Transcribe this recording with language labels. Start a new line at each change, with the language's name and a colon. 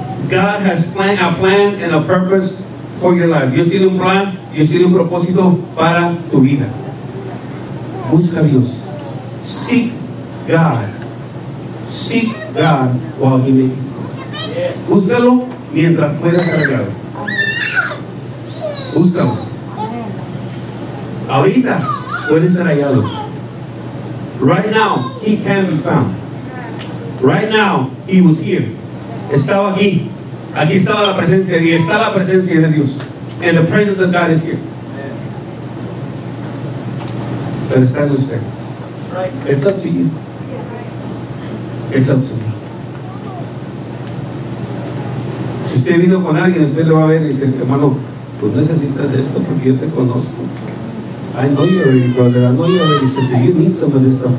English: God has a plan and a purpose for your life.
Spanish: Dios tiene un plan, Dios tiene un propósito para tu vida. Busca a Dios.
English: Seek God. Seek God while He may be found.
Spanish: Búscalo mientras puedas hallarlo. Búscalo. Ahorita puedes ser hallado.
English: Right now, he can be found. Right now, he was here.
Spanish: Estaba aquí. Aquí estaba la presencia y está la presencia de Dios.
English: And the presence of God is here.
Spanish: Pero está en usted.
English: It's up to you. It's up to me.
Spanish: Si usted vino con alguien, usted le va a ver y dice, hermano, tú necesitas de esto porque yo te conozco.
English: I know you already, brother. I know you already said that you need some of this stuff.